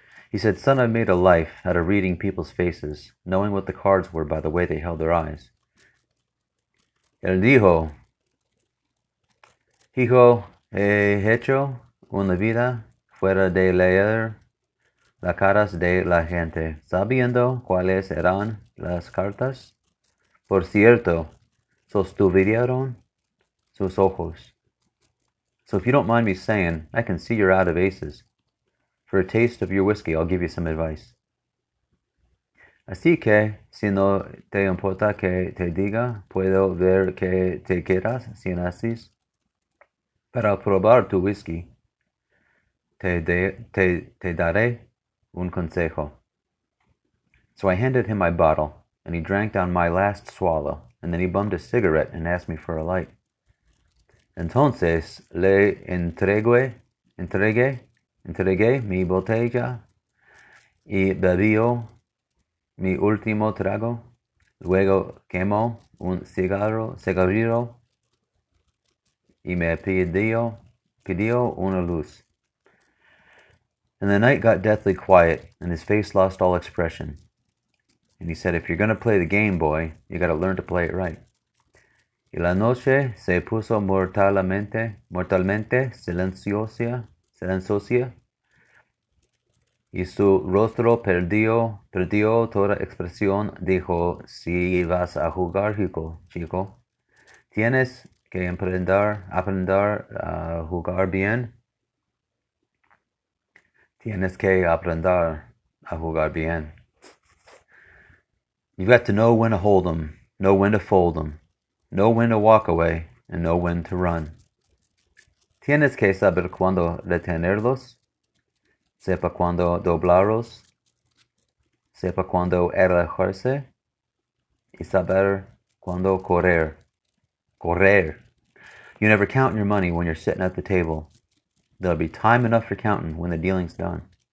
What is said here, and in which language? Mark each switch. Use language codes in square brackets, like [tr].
[en] He said, "Son, I've made a life out of reading people's faces, knowing what the cards were by the way they held their eyes." [es] Él dijo, "Hijo, he hecho una vida fuera de leer las caras de la gente, sabiendo cuáles eran las cartas. Por cierto, sostuvieron sus ojos. [en] So if you don't mind me saying, I can see you're out of aces. For a taste of your whiskey, I'll give you some advice." [es] Así que, si no te importa que te diga, puedo ver que te quedas sin asis. Para probar tu whisky, te daré un consejo. [en] So I handed him my bottle, and he drank down my last swallow, and then he bummed a cigarette and asked me for a light. [es] Entonces, le entregué mi botella y bebió mi último trago, luego quemó un cigarrillo y me pidió una luz. [en] And the night got deathly quiet, and his face lost all expression. And he said, "If you're gonna play the game, boy, you gotta learn to play it right." [es] Y la noche se puso mortalmente silenciosa. Y su rostro perdió toda expresión. Dijo, si vas a jugar, chico, tienes que aprender a jugar bien. Tienes que aprender a jugar bien. [en] You've got to know when to hold them, know when to fold them, know when to walk away, and know when to run. [es] Tienes que saber cuándo detenerlos. Sepa cuándo doblarlos, sepa cuándo alejarse y saber cuándo correr. Correr. [en] You never count your money when you're sitting at the table. There'll be time enough for counting when the dealing's done.